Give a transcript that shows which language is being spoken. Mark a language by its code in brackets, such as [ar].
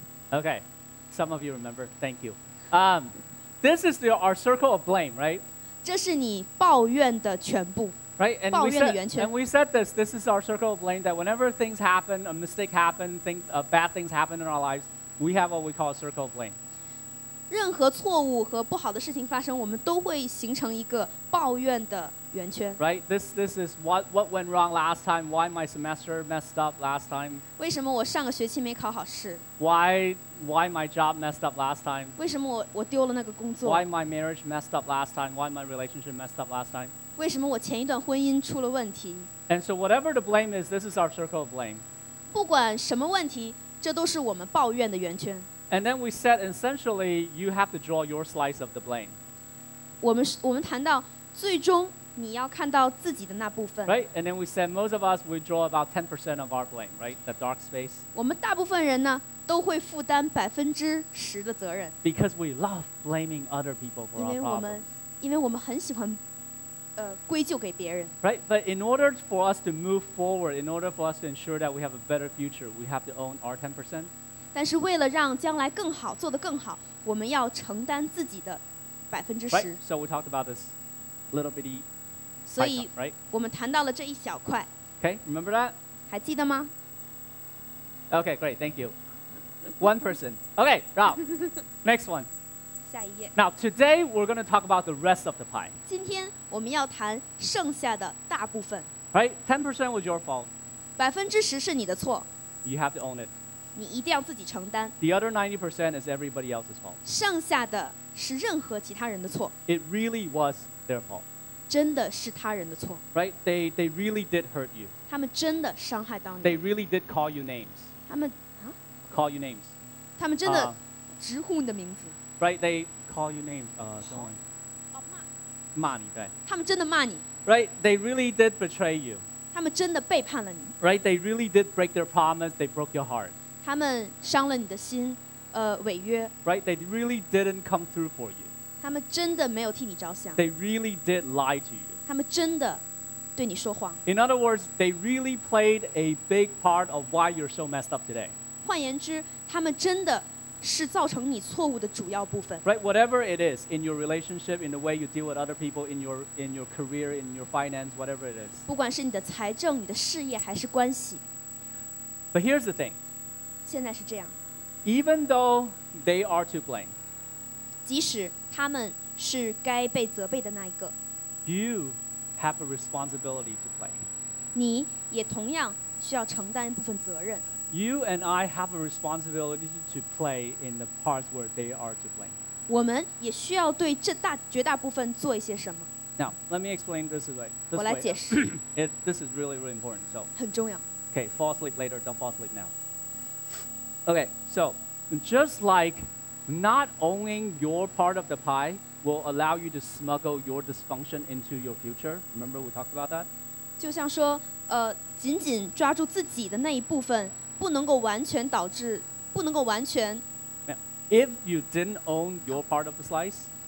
[en] ？Okay, some of you remember. Thank you. This is our circle of blame, right? [zh] 这是你抱怨的全部。 [en] Right, and [zh] 抱怨的圆圈。 [en] And we said this. This is our circle of blame. That whenever things happen, a mistake happen, bad things happen in our lives, we have what we call a circle of blame. [zh] 任何错误和不好的事情发生，我们都会形成一个抱怨的圆圈。 [en] Right, this is what went wrong last time. Why my semester messed up last time? [zh] 为什么我上个学期没考好试 [en] ？Why my job messed up last time? [zh] 为什么我丢了那个工作 [en] ？Why my marriage messed up last time? Why my relationship messed up last time? [zh] 为什么我前一段婚姻出了问题 [en] ？And so whatever the blame is, this is our circle of blame. [zh] 不管什么问题，这都是我们抱怨的圆圈。 [en] And then we said, essentially, you have to draw your slice of the blame. [zh] 我们谈到最终你要看到自己的那部分。 [en] Right, and then we said most of us we draw about 10% of our blame, right? The dark space. [zh] 我们大部分人呢都会负担10%的责任。 [en] Because we love blaming other people for our problems. [zh] 因为我们很喜欢，归咎给别人。 [en] Right, but in order for us to move forward, in order for us to ensure that we have a better future, we have to own our 10%. [zh] 但是为了让将来更好，做得更好，我们要承担自己的10%。 [en] Right, so we talked about this little bitty pie chart, right? [zh] 我们谈到了这一小块。 [en] Okay, remember that? [zh] 还记得吗 [en] ？Okay, great, thank you. One person. Okay, now next one. [zh] 下一页。 [en] Now today we're going to talk about the rest of the pie. [zh] 今天我们要谈剩下的大部分。 [en] Right, 10% was your fault. [zh] 10%是你的错。 [en] You have to own it. [zh] 你一定要自己承担。 [en] The other 90% is everybody else's fault. [zh] 剩下的是任何其他人的错。 [en] It really was their fault. [zh] 真的是他人的错。 [en] Right? They really did hurt you. [zh] 他们真的伤害到你。 [en] They really did call you names. [zh] 他们啊 [en] ？Call you names. [zh] 他们真的直呼你的名字。 [en] Right? They call you names. Someone. [zh] 骂你对。他们真的骂你。 [en] Right? They really did betray you. [zh] 他们真的背叛了你。 [en] Right? They really did break their promise. They broke your heart. [zh] 他们伤了你的心，违约。 [en] Right, they really didn't come through for you. [zh] 他们真的没有替你着想。 [en] They really did lie to you. [zh] 他们真的对你说谎。 [en] In other words, they really played a big part of why you're so messed up today. [zh] 换言之，他们真的是造成你错误的主要部分。 [en] Right, whatever it is in your relationship, in the way you deal with other people, in your career, in your finance, whatever it is. [zh] 不管是你的财政、你的事业还是关系。 [en] But here's the thing. [zh] 现在是这样。 [en] Even though they are to blame. [zh] 即使他们是该被责备的那一个。 [en] You have a responsibility to play. [zh] 你也同样需要承担部分责任。 [en] You and I have a responsibility to play in the parts where they are to blame. [zh] 我们也需要对这大绝大部分做一些什么。 [en] Now, let me explain this way. [zh] 我来解释。 [en] This is really, really important. So, [zh] 很重要。 [en] Okay, fall asleep later, don't fall asleep now. Okay, so, just like not owning your part of the pie will allow you to smuggle your dysfunction into your future. Remember we talked about that? [zh] 就像说紧紧抓住自己的那一部分不能够完全导致不能够完全 [en] If you didn't own your part of the slice